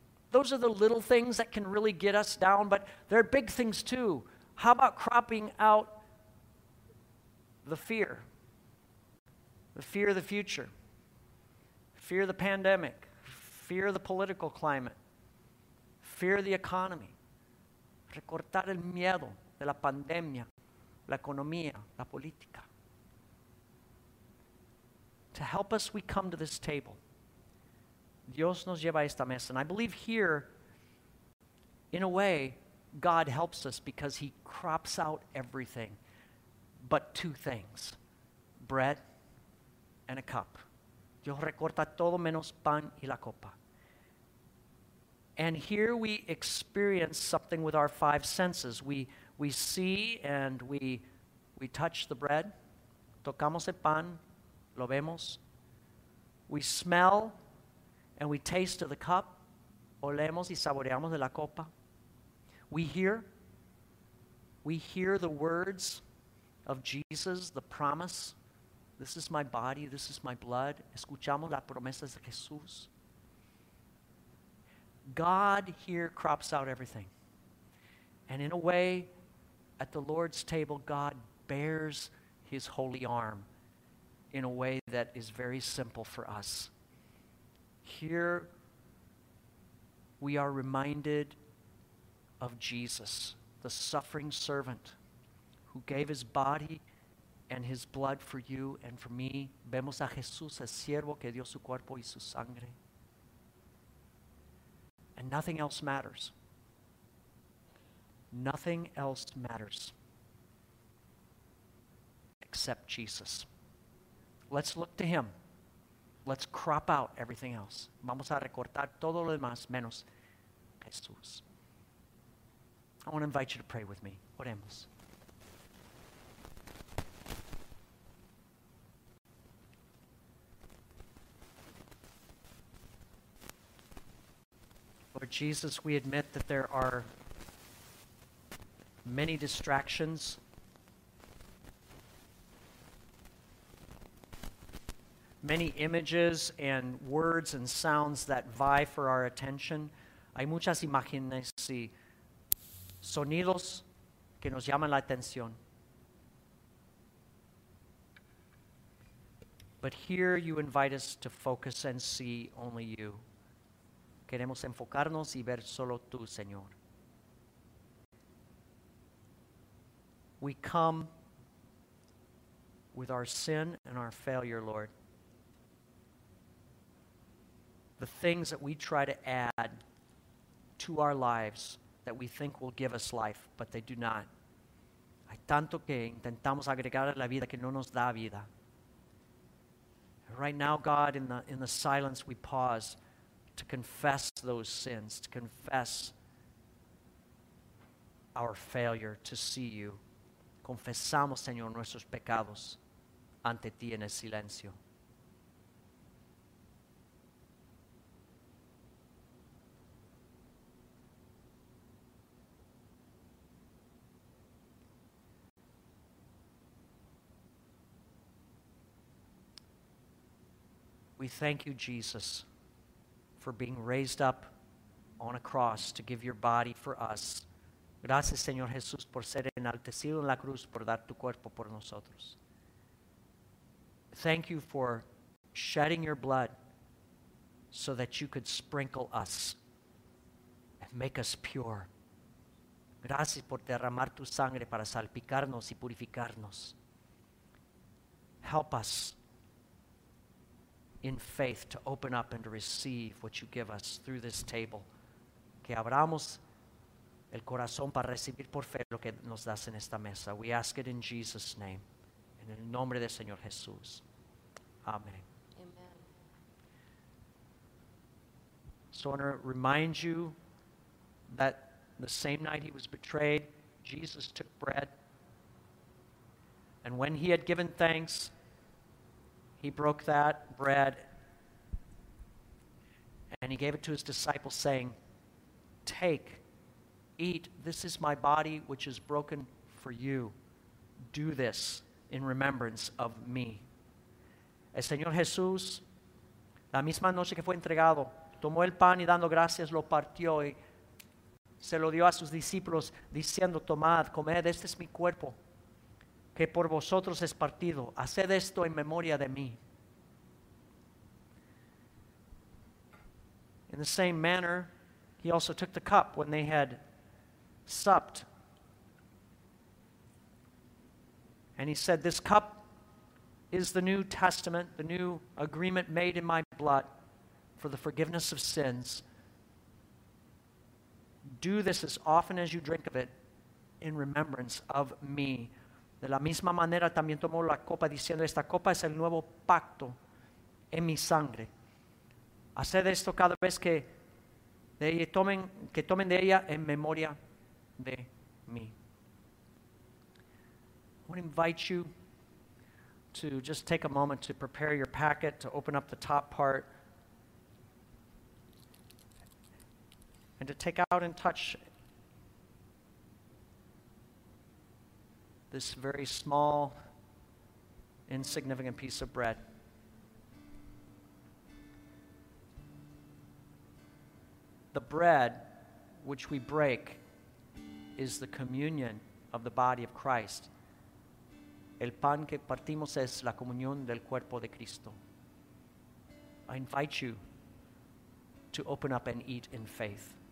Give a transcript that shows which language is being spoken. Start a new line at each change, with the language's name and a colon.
English: Those are the little things that can really get us down, but there are big things too. How about cropping out the fear of the future, fear of the pandemic, fear of the political climate, fear of the economy.
Spanish: Recortar el miedo de la pandemia, la economía, la política.
English: To help us, we come to this table.
Spanish: Dios nos lleva a esta mesa.
English: And I believe here, in a way, God helps us because he crops out everything but two things, bread and a cup.
Spanish: Dios recorta todo menos pan y la copa.
English: And here we experience something with our five senses. We see and we touch the bread.
Spanish: Tocamos el pan, lo vemos.
English: We smell and we taste of the cup.
Spanish: Olemos y saboreamos de la copa.
English: We hear the words of Jesus, the promise. This is my body, this is my blood.
Spanish: Escuchamos las promesas de Jesús.
English: God here crops out everything. And in a way, at the Lord's table, God bears his holy arm in a way that is very simple for us. Here, we are reminded of Jesus, the suffering servant who gave his body and his blood for you and for me.
Spanish: Vemos a Jesús, el siervo que dio su cuerpo y su sangre.
English: And nothing else matters. Nothing else matters except Jesus. Let's look to him. Let's crop out everything else.
Spanish: Vamos a recortar todo lo demás menos Jesús.
English: I want to invite you to pray with me.
Spanish: Oremos.
English: Lord Jesus, we admit that there are many distractions. Many images and words and sounds that vie for our attention.
Spanish: Hay muchas imágenes y sonidos que nos llaman la atención.
English: But here you invite us to focus and see only you.
Spanish: Queremos enfocarnos y ver solo tú, Señor.
English: We come with our sin and our failure, Lord. The things that we try to add to our lives that we think will give us life, but they do not.
Spanish: Hay tanto que intentamos agregar a la vida que no nos da vida.
English: Right now, God, in the silence, we pause to confess those sins, to confess our failure to see you.
Spanish: Confesamos, Señor, nuestros pecados ante ti en el silencio.
English: We thank you, Jesus, for being raised up on a cross to give your body for us.
Spanish: Gracias, Señor Jesús, por ser enaltecido en la cruz, por dar tu cuerpo por nosotros.
English: Thank you for shedding your blood so that you could sprinkle us and make us pure.
Spanish: Gracias por derramar tu sangre para salpicarnos y purificarnos.
English: Help us in faith to open up and to receive what you give us through this table.
Spanish: Que abramos el corazón para recibir por fe lo que nos das en esta mesa.
English: We ask it in Jesus' name,
Spanish: en el nombre del Señor Jesús.
English: Amen. Amen. So I want to remind you that the same night he was betrayed, Jesus took bread. And when he had given thanks, he broke that bread and he gave it to his disciples saying, "Take, eat, this is my body which is broken for you. Do this in remembrance of me."
Spanish: El Señor Jesús, la misma noche que fue entregado, tomó el pan y dando gracias lo partió y se lo dio a sus discípulos diciendo, "Tomad, comed, este es mi cuerpo que por vosotros es partido. Haced esto en memoria de mí."
English: In the same manner, he also took the cup when they had supped. And he said, "This cup is the new testament, the new agreement made in my blood for the forgiveness of sins. Do this as often as you drink of it in remembrance of me."
Spanish: De la misma manera también tomó la copa diciendo, "Esta copa es el nuevo pacto en mi sangre. Haced esto cada vez que tomen de ella en memoria de mí."
English: I want to invite you to just take a moment to prepare your packet, to open up the top part, and to take out and touch this very small, insignificant piece of bread. The bread which we break is the communion of the body of Christ.
Spanish: El pan que partimos es la comunión del cuerpo de Cristo.
English: I invite you to open up and eat in faith.